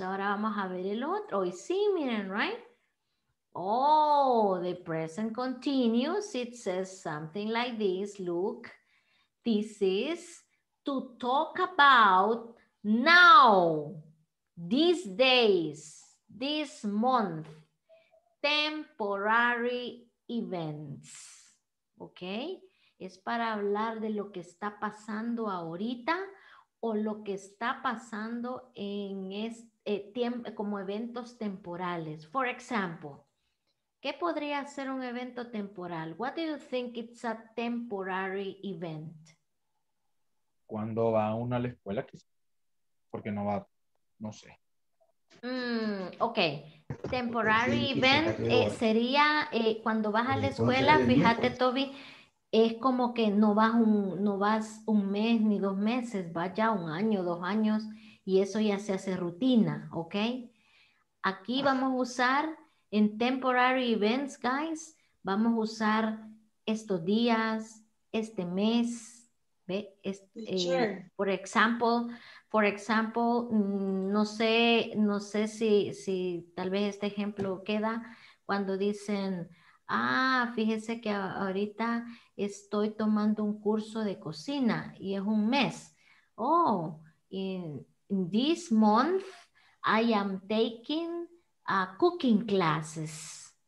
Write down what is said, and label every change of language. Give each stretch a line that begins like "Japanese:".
Spanish: Ahora vamos a ver el otro. Y sí, miren,
English: right? Oh, the present continuous, it says something like this. Look, this is to talk about now, these days, this month, temporary events. Okay?
Spanish: Es para hablar de lo que está pasando ahorita o lo que está pasando en este, como eventos temporales.
English: For example,
Spanish: ¿qué podría ser un evento temporal?
English: What do you think it's a temporary event?
Spanish: Cuando va uno a la escuela, quizás. Porque no va, no sé. Ok. Temporary event sería cuando vas a la escuela, fíjate, Toby, es como que no vas un mes ni dos meses, vas ya un año, dos años, y eso ya se hace rutina, ¿ok? Aquí vamos a usar, en temporary events, guys, vamos a usar estos días, este mes, ¿ve? Por ejemplo, no sé si tal vez este ejemplo queda cuando dicen, fíjese que ahorita estoy tomando un curso de cocina y es un mes.
English: Oh, in this month I am taking cooking classes.